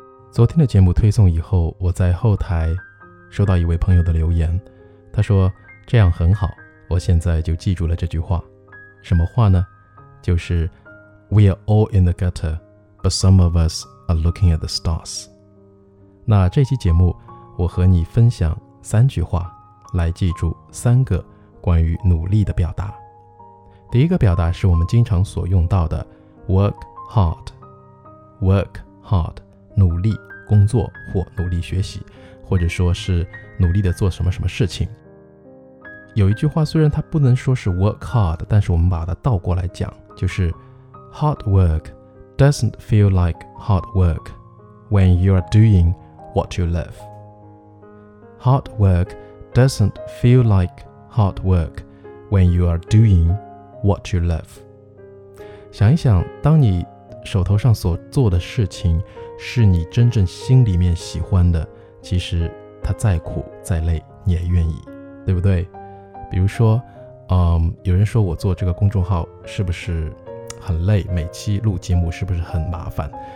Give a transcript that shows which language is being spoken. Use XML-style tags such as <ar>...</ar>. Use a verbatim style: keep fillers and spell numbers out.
<zh>昨天的节目推送以后，我在后台收到一位朋友的留言，他说这样很好，我现在就记住了这句话。什么话呢？就是</zh> <en>We are all in the gutter, but some of us are looking at the stars。</en> <zh>那这期节目我和你分享三句话，来记住三个关于努力的表达。第一个表达是我们经常所用到的 work hard。 work hard， 努力工作或努力学习，或者说是努力的做什么什么事情。有一句话虽然它不能说是 work hard， 但是我们把它倒过来讲，就是</zh> <en>hard work doesn't feel like hard work when you are doing what you love。 Hard work doesn't feel like hard work when you are doing what you love。</en> <zh>想一想，当你手头上所做的事情是你真正心里面喜欢的，其实它再苦再累你也愿意，对不对？比如说、嗯、有人说我做这个公众号是不是很累，每期录节目是不是很麻烦？</zh>